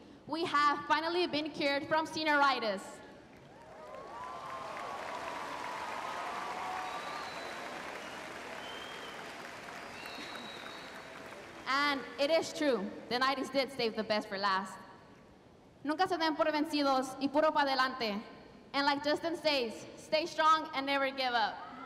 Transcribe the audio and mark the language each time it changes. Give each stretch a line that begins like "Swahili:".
English: We have finally been cured from senioritis. And it is true, the 90s did save the best for last.
Spanish: Nunca se den por vencidos y puro para adelante.
English: And like Justin says, stay strong and never give up.